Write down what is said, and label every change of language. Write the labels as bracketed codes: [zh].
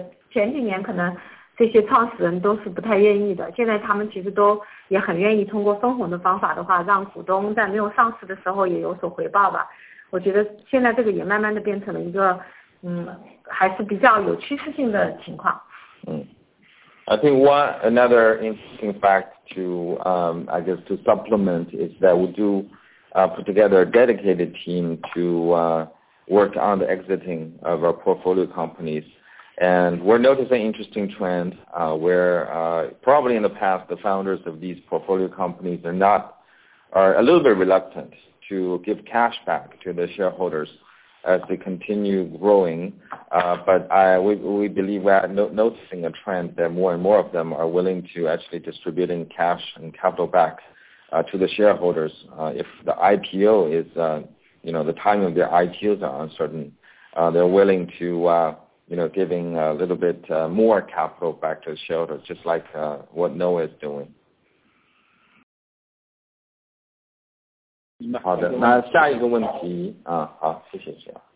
[zh] 前几年可能这些创始人都是不太愿意的，现在他们其实都也很愿意通过分红的方法的话，让股东在没有上市的时候也有所回报吧。我觉得现在这个也慢慢的变成了一个，还是比较有趋势性的情况。 [en] I think one another interesting fact to I guess to supplement is that we do put together a dedicated team to work on the exiting of our portfolio companies. And we're noticing an interesting trend where probably in the past the founders of these portfolio companies are a little bit reluctant to give cash back to the shareholders as they continue growing. But we believe we're noticing a trend that more and more of them are willing to actually distribute in cash and capital back to the shareholders if the IPO is, you know, the timing of their IPOs are uncertain. They're willing to giving a little bit more capital back to the shareholders, just like what Noah is doing. [zh] 好的，那下一个问题啊，好，谢谢谢。